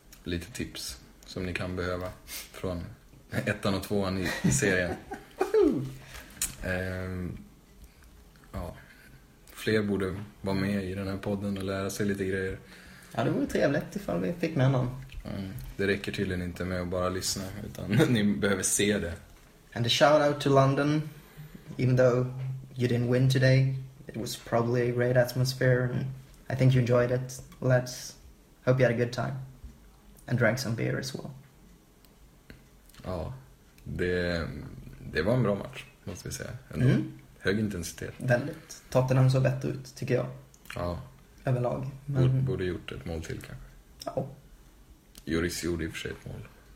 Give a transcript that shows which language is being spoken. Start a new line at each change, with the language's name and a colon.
Swedish: Lite tips som ni kan behöva från 1 och 2 i serien. Ja, fler borde vara med i den här podden och lära sig lite grejer. Ja, det vore trevligt ifall vi fick med någon. Det räcker tydligen inte med att bara lyssna, utan ni behöver se det.
English: And a shout out to London, even though you didn't win today, it was probably a great atmosphere and I think you enjoyed it. Let's hope you had a good time and drank some beer as well.
Swedish: Ja, det var en bra match, måste vi säga. Ändå. Mm. Hög intensitet. Väldigt. Tottenham såg bättre ut, tycker jag. Ja. Överlag. Men... Borde gjort ett mål till, kanske. Ja. Juris gjorde i och för sig ett mål.